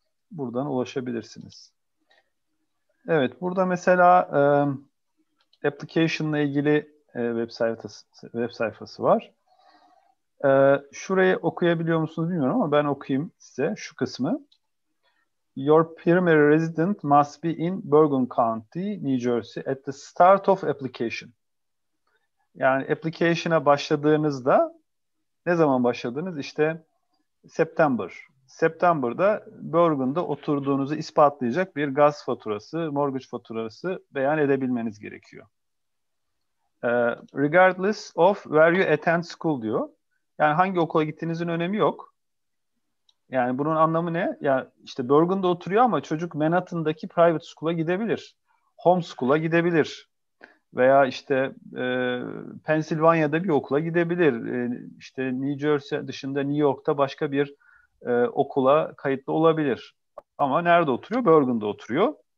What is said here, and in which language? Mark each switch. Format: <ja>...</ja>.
<tr>Buradan ulaşabilirsiniz. Evet, burada mesela application'la ilgili web sayfası var. Şurayı okuyabiliyor musunuz bilmiyorum ama ben okuyayım size şu kısmı.</tr> <en>Your primary resident must be in Bergen County, New Jersey at the start of application.</en> <tr>Yani application'a başladığınızda ne zaman başladınız? İşte September. September'da Bergen'de oturduğunuzu ispatlayacak bir gaz faturası, mortgage faturası beyan edebilmeniz gerekiyor.</tr> <en>Regardless of where you attend school diyor.</en> <tr>Yani hangi okula gittiğinizin önemi yok. Yani bunun anlamı ne? Ya işte Bergen'de oturuyor ama çocuk Manhattan'daki private school'a gidebilir. Home school'a gidebilir. Veya işte Pennsylvania'da bir okula gidebilir. İşte New Jersey dışında New York'ta başka bir okula kayıtlı olabilir. Ama nerede oturuyor? Bergen'de oturuyor.</tr>